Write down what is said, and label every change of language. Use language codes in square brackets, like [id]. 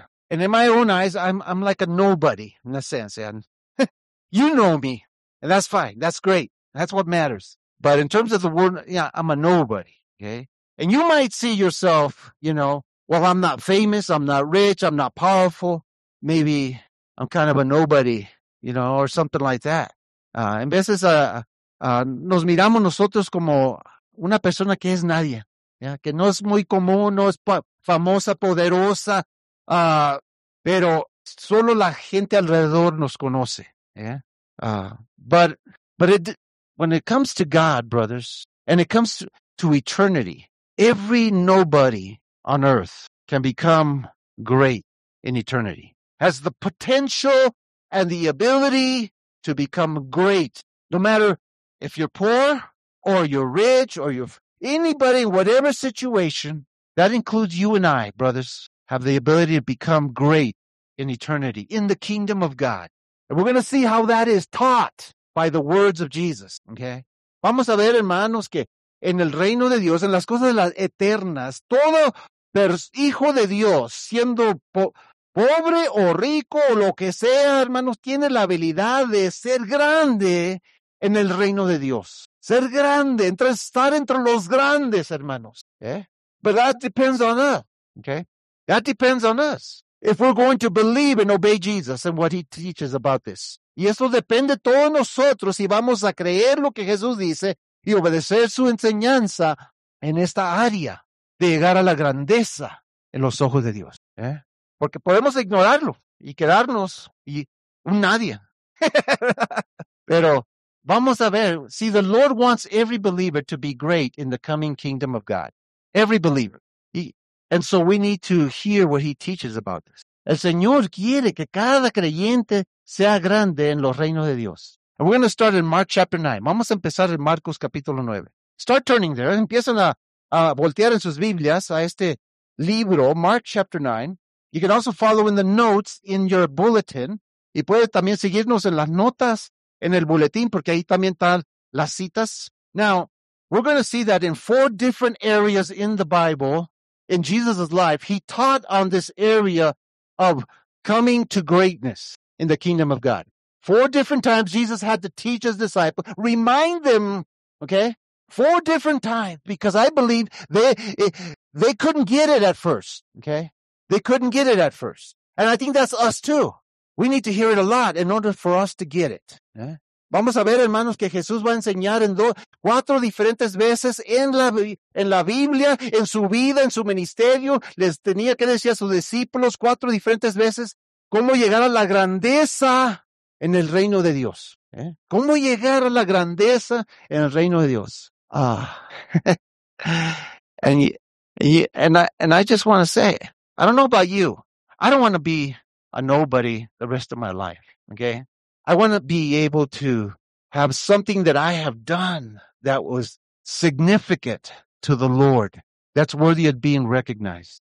[en] And in my own eyes, I'm like a nobody in a sense. And you know me, and that's fine. That's great. That's what matters. But in terms of the word, yeah, I'm a nobody. Okay. And you might see yourself, you know, well, I'm not famous. I'm not rich. I'm not powerful. Maybe I'm kind of a nobody, you know, or something like that. [es] En veces nos miramos nosotros como una persona que es nadie, ya, [en] yeah, [es] que no es muy común, no es famosa, poderosa, pero solo la gente alrededor nos conoce. [en] Yeah? But when it comes to God, brothers, and it comes to eternity, every nobody on earth can become great in eternity. Has the potential and the ability to become great, no matter if you're poor or you're rich or you're anybody, whatever situation, that includes you and I, brothers, have the ability to become great in eternity, in the kingdom of God. And we're going to see how that is taught by the words of Jesus, okay? [es] Vamos a ver, hermanos, que en el reino de Dios, en las cosas de las eternas, todo hijo de Dios, siendo pobre o rico o lo que sea, hermanos, tiene la habilidad de ser grande en el reino de Dios. Ser grande, estar entre los grandes, hermanos. [en] Okay? But that depends on us. Okay? That depends on us. If we're going to believe and obey Jesus and what he teaches about this. [es] Y eso depende de todos nosotros si vamos a creer lo que Jesús dice y obedecer su enseñanza en esta área de llegar a la grandeza en los ojos de Dios. [en] Okay? [es] Porque podemos ignorarlo y quedarnos y un nadie. Pero vamos a ver. [en] See, the Lord wants every believer to be great in the coming kingdom of God. Every believer. And so we need to hear what he teaches about this. [es] El Señor quiere que cada creyente sea grande en los reinos de Dios. [en] And we're going to start in Mark chapter 9. [es] Vamos a empezar en Marcos capítulo 9. [en] Start turning there. [es] Empiezan a voltear en sus Biblias a este libro, [en] Mark chapter 9. You can also follow in the notes in your bulletin. [es] Y puede también seguirnos en las notas en el boletín, porque ahí también están las citas. [en] Now, we're going to see that in four different areas in the Bible, in Jesus' life, he taught on this area of coming to greatness in the kingdom of God. Four different times Jesus had to teach his disciples, remind them, okay? Four different times, because I believe they couldn't get it at first, okay? They couldn't get it at first. And I think that's us too. We need to hear it a lot in order for us to get it. ¿Eh? [es] Vamos a ver, hermanos, que Jesús va a enseñar en cuatro diferentes veces en la Biblia, en su vida, en su ministerio. Les tenía que decir a sus discípulos cuatro diferentes veces cómo llegar a la grandeza en el reino de Dios. ¿Eh? Cómo llegar a la grandeza en el reino de Dios. Ah. [en] And I just want to say, I don't know about you. I don't want to be a nobody the rest of my life, okay? I want to be able to have something that I have done that was significant to the Lord, that's worthy of being recognized.